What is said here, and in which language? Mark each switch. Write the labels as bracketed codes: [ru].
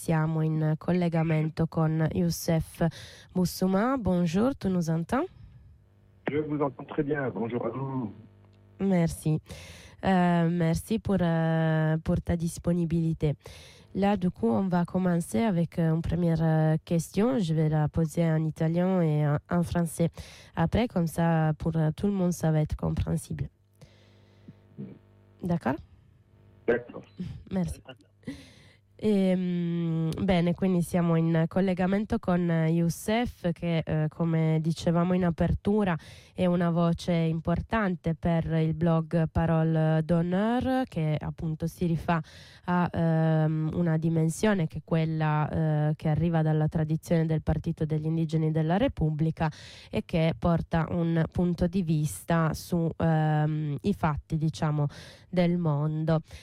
[it] Siamo in collegamento con Youssef Boussouma. [fr] Bonjour, tu nous entends? Je vous entends très bien. Bonjour à vous. Merci. Merci pour ta disponibilité. Là, du coup, on va commencer avec une première question. Je vais la poser en italien et en français. Après, comme ça, pour tout le monde, ça va être compréhensible. D'accord? D'accord. Merci. [it] Bene, quindi siamo in collegamento con Youssef, che come dicevamo in apertura è una voce importante per il blog Parole d'Honneur, che appunto si rifà a una dimensione che è quella che arriva dalla tradizione del Partito degli Indigeni della Repubblica e che porta un punto di vista su i fatti, diciamo, del mondo.